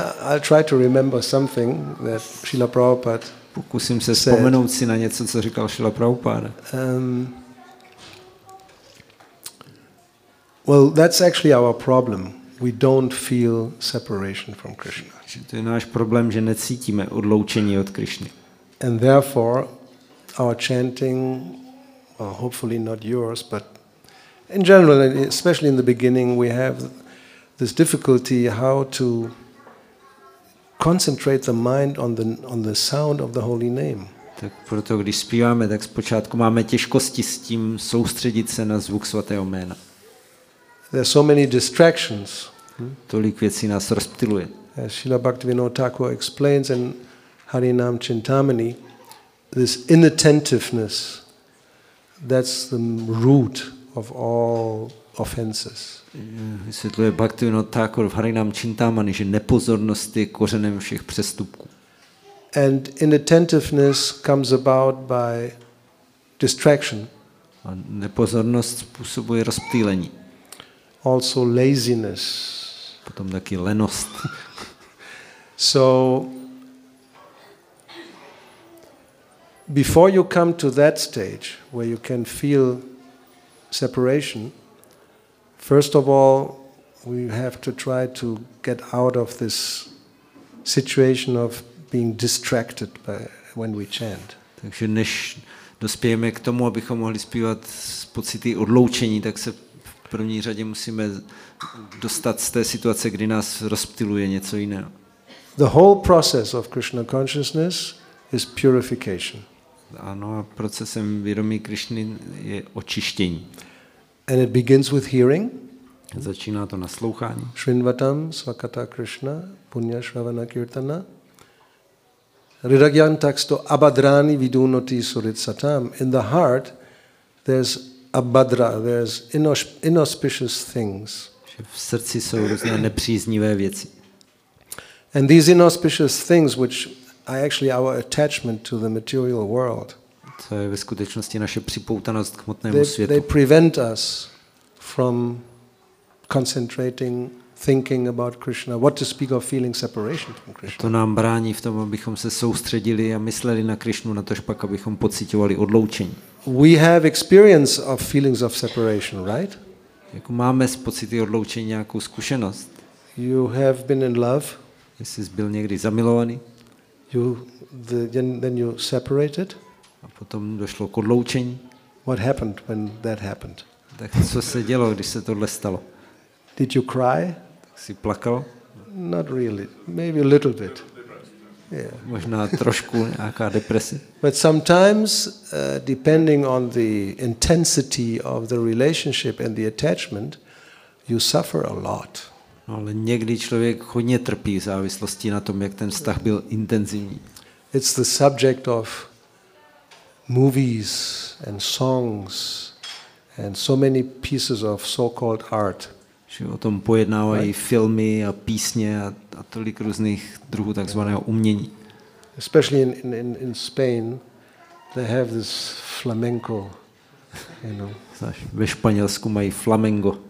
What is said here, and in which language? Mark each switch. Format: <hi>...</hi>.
<en>I'll try to remember something that Srila Prabhupada said.</en> <cs>Pokusím se vzpomenout si na něco, co říkal Srila Prabhupada.</cs> <en>Well, that's actually our problem. We don't feel separation from Krishna.</en> <cs>To je náš problém, že necítíme odloučení od Krišny.</cs> <en>And therefore, our chanting, well, hopefully not yours, but in general, especially in the beginning, we have this difficulty how to concentrate the mind on the sound of the holy name.</en> <cs>Tak proto když zpíváme, tak zpočátku máme těžkosti s tím soustředit se na zvuk svatého jména.</cs> <en>There are so many distractions.</en> <cs>Tolik věcí nás rozptiluje.</cs> <en>As Srila Bhaktivinoda Thakura explains in Harinam Chintamani, this inattentiveness, that's the root of all offenses.</en> <cs>Vysvětluje Bhaktivinoda Thakura v Harinam Chintamani, že nepozornost je kořenem všech přestupků.</cs> <en>And inattentiveness comes about by distraction.</en> <cs>A nepozornost způsobuje rozptýlení.</cs> <en>Also laziness.</en> <cs>Potom taky lenost.</cs> <en>So before you come to that stage where you can feel separation, first of all, we have to try to get out of this situation of being distracted by when we chant.</en> <cs>Takže než dospějeme k tomu, abychom mohli zpívat s pocity odloučení, tak se v první řadě musíme dostat z té situace, kdy nás rozptiluje něco jiného.</cs> <en>The whole process of Krishna consciousness is purification.</en> <cs>Ano, a procesem vědomí Krišny je očištění.</cs> <en>And it begins with hearing.</en> <cs>Začíná to naslouchání.</cs> <sa>Shrinvatam svakata Krishna punya shravana kirtana. Ridagyan taksto abhadrani vidunoti suritsatam.</sa> <en>In the heart there's abhadra, there's inauspicious things.</en> <cs>V srdci jsou různé nepříznivé věci.</cs> <en>And these inauspicious things which are actually our attachment to the material world.</en> <cs>To je ve skutečnosti naše připoutanost k hmotnému světu.</cs> <en>They prevent us from concentrating, thinking about Krishna, what to speak of feeling separation from Krishna.</en> <cs>To nám brání v tom, abychom se soustředili a mysleli na Krishnu, na to, pak abychom pocitovali odloučení.</cs> <en>We have experience of feelings of separation, right?</en> <cs>Jako máme z pocity odloučení nějakou zkušenost.</cs> <en>You have been in love.</en> <cs>Jsi byl někdy zamilovaný.</cs> <en>Then you separated.</en> <cs>A potom došlo k odloučení.</cs> <en>What happened when that happened?</en> <cs>Tak co se dělo, když se tohle stalo?</cs> <en>Did you cry?</en> <cs>Tak jsi plakal?</cs> <en>Not really, maybe a little bit. Yeah.</en> <cs>Možná trošku nějaká deprese.</cs> <en>But sometimes, depending on the intensity of the relationship and the attachment, you suffer a lot.</en> <cs>No, ale někdy člověk hodně trpí v závislosti na tom, jak ten vztah byl intenzivní.</cs> <en>It's the subject of movies and songs and so many pieces of so-called art.</en> <cs>Že o tom pojednávají filmy a písně a tolik různých druhů takzvaného umění.</cs> <en>Especially in Spain, they have this flamenco, you know.</en> <cs>Znáš, ve Španělsku mají flamenco.</cs>